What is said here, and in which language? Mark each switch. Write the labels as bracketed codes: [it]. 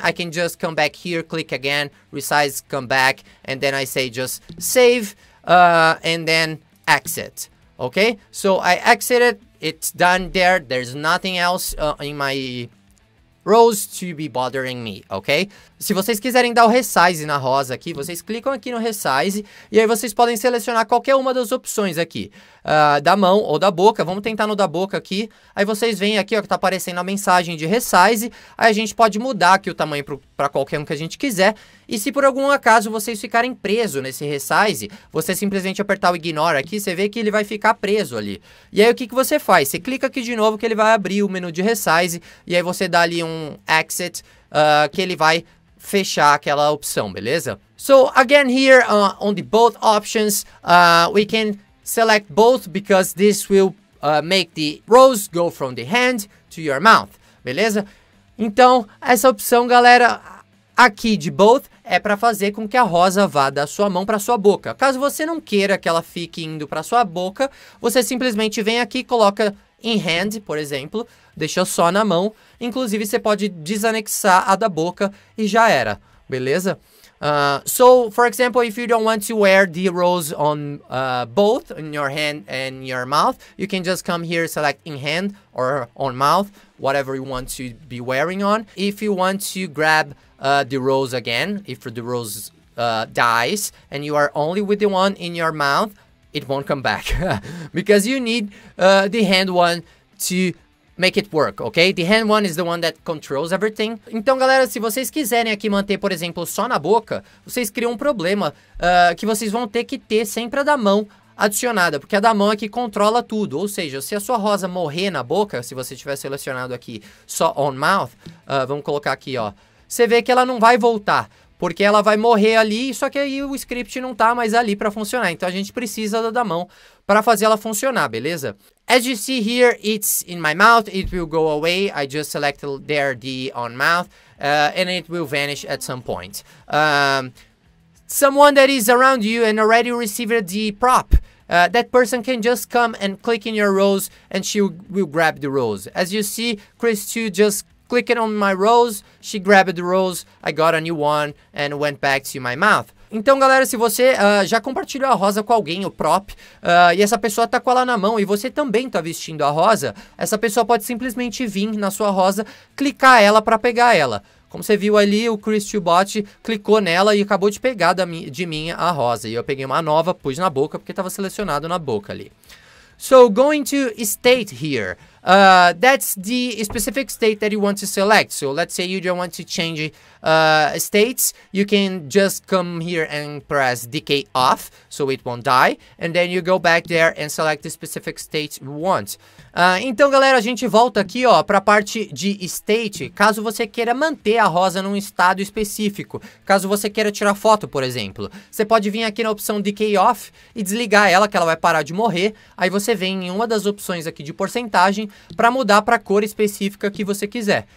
[en] I can just come back here, click again, resize, come back, and then I say just save, and then exit, okay? So I exited, it's done there, there's nothing else in my rows to be bothering me, ok? [pt] Se vocês quiserem dar o resize na rosa aqui, vocês clicam aqui no resize e aí vocês podem selecionar qualquer uma das opções aqui, da mão ou da boca, vamos tentar no da boca aqui, aí vocês veem aqui, ó, que tá aparecendo a mensagem de resize, aí a gente pode mudar aqui o tamanho para qualquer um que a gente quiser, e se por algum acaso vocês ficarem presos nesse resize, você simplesmente apertar o ignore aqui, você vê que ele vai ficar preso ali, e aí o que que você faz? Você clica aqui de novo que ele vai abrir o menu de resize, e aí você dá ali um exit, que ele vai fechar aquela opção, beleza? [en] So, again here, on the both options, we can select both because this will make the rows go from the hand to your mouth, beleza? [pt] Então, essa opção, galera, aqui de both, é para fazer com que a rosa vá da sua mão para sua boca. Caso você não queira que ela fique indo para sua boca, você simplesmente vem aqui e coloca in hand, por exemplo, deixa só na mão. Inclusive, você pode desanexar a da boca e já era, beleza? [en] So, for example, if you don't want to wear the rose on both, in your hand and your mouth, you can just come here, select in hand or on mouth, whatever you want to be wearing on. If you want to grab the rose again, if the rose dies and you are only with the one in your mouth, it won't come back because you need the hand one to make it work, ok? The hand one is the one that controls everything. [pt] Então, galera, se vocês quiserem aqui manter, por exemplo, só na boca, vocês criam um problema que vocês vão ter que ter sempre a da mão adicionada, porque a da mão é que controla tudo. Ou seja, se a sua rosa morrer na boca, se você tiver selecionado aqui só on mouth, vamos colocar aqui, ó, você vê que ela não vai voltar, porque ela vai morrer ali, só que aí o script não tá mais ali para funcionar. Então, a gente precisa da mão para fazer ela funcionar, beleza? [en] As you see here, it's in my mouth, it will go away, I just select there the on mouth, and it will vanish at some point. Someone that is around you and already received the prop, that person can just come and click in your rose and she will grab the rose. As you see, Chris 2 just clicked on my rose, she grabbed the rose, I got a new one and went back to my mouth. [pt] Então, galera, se você já compartilhou a rosa com alguém, o prop, e essa pessoa tá com ela na mão e você também tá vestindo a rosa, essa pessoa pode simplesmente vir na sua rosa, clicar ela para pegar ela. Como você viu ali, o ChristyBot clicou nela e acabou de pegar de mim a rosa. E eu peguei uma nova, pus na boca, porque tava selecionado na boca ali. [en] So, going to state here. That's the specific state that you want to select. So, let's say you don't want to change states. You can just come here and press decay off, so it won't die. And then you go back there and select the specific state you want. [pt] Então, galera, a gente volta aqui, ó, pra parte de state, caso você queira manter a rosa num estado específico. Caso você queira tirar foto, por exemplo. Você pode vir aqui na opção decay off e desligar ela, que ela vai parar de morrer. Aí você vem em uma das opções aqui de porcentagem, para mudar para a cor específica que você quiser.